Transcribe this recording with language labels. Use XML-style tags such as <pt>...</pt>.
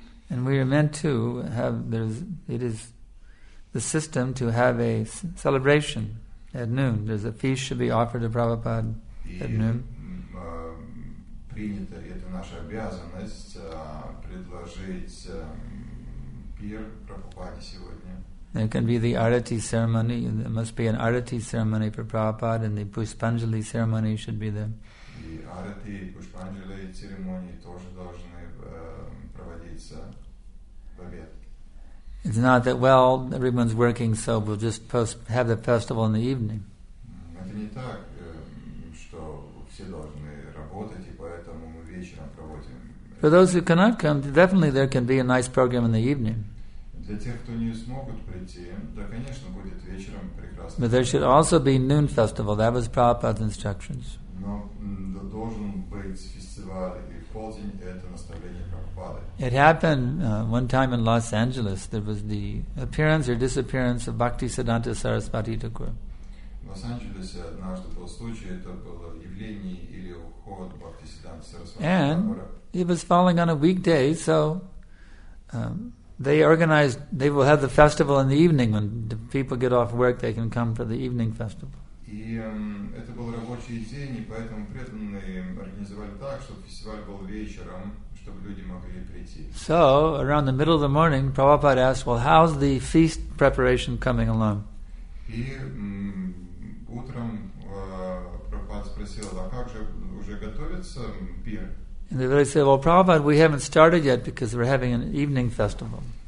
<en>And we are meant to have, it is the system to have a celebration at noon. There's a feast should be offered to Prabhupada at noon.</en> <ru>принято, это наша обязанность предложить пир Прабхупаде сегодня.</ru> <en>There can be the arati ceremony. There must be an arati ceremony for Prabhupada, and the Pushpanjali ceremony should be there.</en> <ru>И арати, и Пушпанджали церемонии тоже должны проводиться в обед.</ru> <en>It's not that, well, everyone's working, so we'll just have the festival in the evening.</en> <ru>Это не так, что все должны работать, и поэтому мы вечером проводим.</ru> <en>For those who cannot come, definitely there can be a nice program in the evening.</en> <ru>Для тех, кто не смогут прийти, да, конечно, будет вечером прекрасно.</ru> <en>But there should also be noon festival. That was Prabhupada's instructions.</en> <ru>Но должен быть фестиваль, и полдень – это наставление Прабхупады.</ru> <en>It happened one time in Los Angeles. There was the appearance or disappearance of Bhaktisiddhanta Sarasvati Thakur.</en> <ru>В Лос-Анджелесе однажды был случай, это было явление или уход Бхактисиддханты Сарасвати Такура.</ru> <en>And it was falling on a weekday, so they organized, they will have the festival in the evening. When the people get off work, they can come for the evening festival.</en> <ru>И это был рабочий день, и поэтому преданные организовали так, чтобы фестиваль был вечером, чтобы люди могли прийти.</ru> <en>So, around the middle of the morning, Prabhupada asked, well, how's the feast preparation coming along?</en> <ru>И утром Прабхупада спросил, а как же уже готовится пир?</ru> <en>And they really said, well, Prabhupada, we haven't started yet because we're having an evening festival.</en>